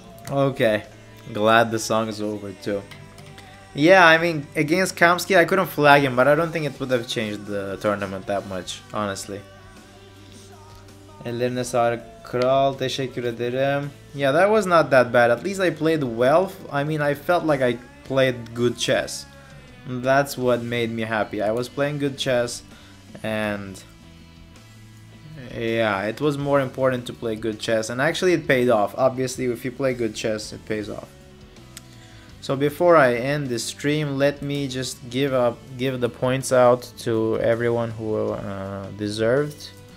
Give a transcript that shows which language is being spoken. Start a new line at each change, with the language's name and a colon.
English: Okay, glad the song is over too. Yeah, I mean, against Kamsky, I couldn't flag him, but I don't think it would have changed the tournament that much, honestly.
Turkish: Ellerine sağlık kral, teşekkür ederim.
English: Yeah, that was not that bad. At least I played well. I mean, I felt like I played good chess. That's what made me happy. I was playing good chess, and yeah, it was more important to play good chess, and actually it paid off. Obviously, if you play good chess, it pays off. So before I end the stream, let me just give the points out to everyone who deserved.